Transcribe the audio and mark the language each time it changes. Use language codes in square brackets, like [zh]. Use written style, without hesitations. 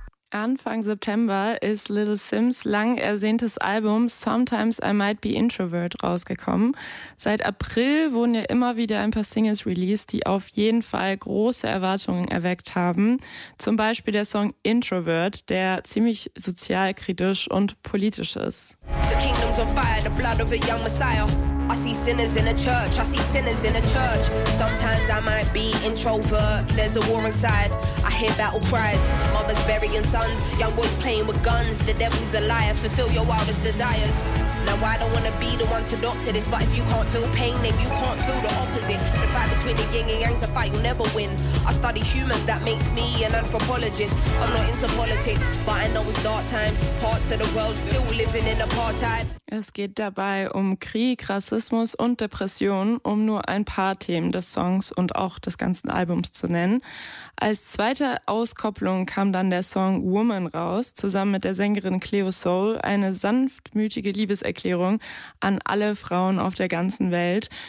[de] Anfang September ist Little Sims lang ersehntes Album Sometimes I Might Be Introvert rausgekommen. Seit April wurden ja immer wieder ein paar Singles released, die auf jeden Fall große Erwartungen erweckt haben. Zum Beispiel der Song Introvert, der ziemlich sozialkritisch und politisch ist. [en] The kingdom's on fire, the blood of a young messiah. I see sinners in a church, I see sinners in a church. Sometimes I might be introvert, there's a war inside. I hear battle cries, mothers burying sons, young boys playing with guns. The devil's a liar, fulfill your wildest desires. Now I don't wanna be the one to doctor this, but if you can't feel pain, then you can't feel the opposite. The fight between the yin and yang's a fight you'll never win. I study humans, that makes me an anthropologist. I'm not into politics, but I know it's dark times. Parts of the world still living in apartheid. [de] Es geht dabei um Krieg, Rassismus und Depression, um nur ein paar Themen des Songs und auch des ganzen Albums zu nennen. Als zweite Auskopplung kam dann der Song Woman raus, zusammen mit der Sängerin Cleo Soul, eine sanftmütige Liebeserklärung an alle Frauen auf der ganzen Welt.